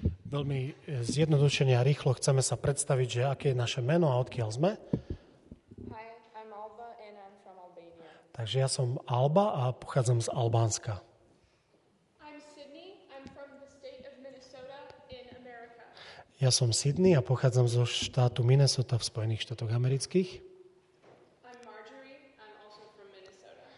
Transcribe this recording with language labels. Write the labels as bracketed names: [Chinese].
[Slovak] Veľmi zjednodušene a rýchlo chceme sa predstaviť, že aké je naše meno a odkiaľ sme. [English] Hi, I'm Alba and I'm from Albania. [Slovak] Takže ja som Alba a pochádzam z Albánska. [English] I'm Sydney, I'm from the state of Minnesota in America. [Slovak] Ja som Sydney a pochádzam zo štátu Minnesota v Spojených štátoch amerických. [English] I'm Marjorie, I'm also from Minnesota.